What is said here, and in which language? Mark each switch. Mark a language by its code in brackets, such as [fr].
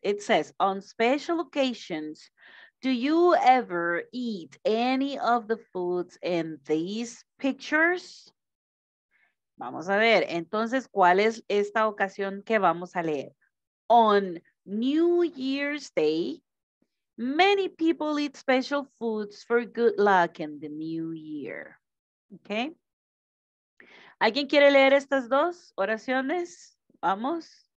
[en] It says, on special occasions, do you ever eat any of the foods in these pictures? [es] Vamos a ver, entonces, ¿cuál es esta ocasión que vamos a leer? [en] On New Year's Day, many people eat special foods for good luck in the new year. [es] Okay. ¿Alguien quiere leer estas dos oraciones? Vamos.